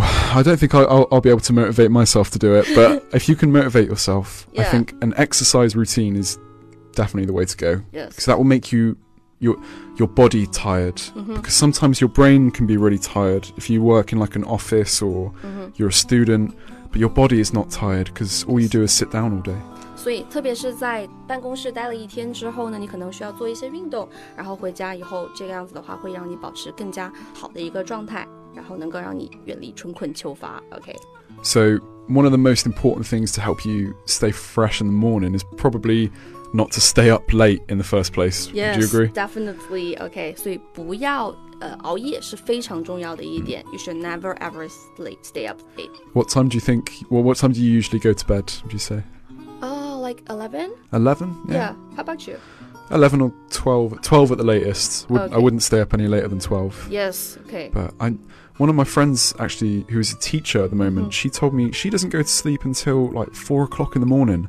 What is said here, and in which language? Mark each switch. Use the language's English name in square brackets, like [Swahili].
[English] I don't think I'll be able to motivate myself to do it, but if you can motivate yourself, I think an exercise routine is definitely the way to go. Yes. Because that will make your body tired. Mm-hmm. Because sometimes your brain can be really tired if you work in like an office or you're a student, but your body is not tired because all you do is sit down all day. [Chinese] 所以特别是在办公室待了一天之后呢，你可能需要做一些运动，然后回家以后这个样子的话会让你保持更加好的一个状态，然后能够让你远离春困秋乏。 [English] Okay. So one of the most important things to help you stay fresh in the morning is probably not to stay up late in the first place. Yes, do you agree? Definitely. Okay. [Chinese] 所以不要熬夜是非常重要的一点。 [English] You should never ever stay up late. What time do you think? Well, what time do you usually go to bed? Would you say? Like 11? Yeah. How about you? 11 or 12. 12 at the latest. I wouldn't stay up any later than 12. Yes, okay. But one of my friends, actually, who is a teacher at the moment, she told me she doesn't go to sleep until like 4 o'clock in the morning.